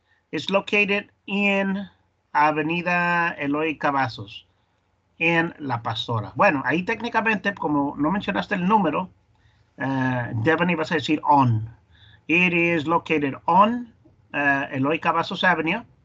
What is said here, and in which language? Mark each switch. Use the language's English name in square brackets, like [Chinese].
[English] It's located in Avenida Eloy Cavazos. [Spanish] En La Pastora. Bueno, ahí técnicamente, como no mencionaste el número, Devaney, vas a decir on. [English] It is located on Eloy Cavazos Avenue.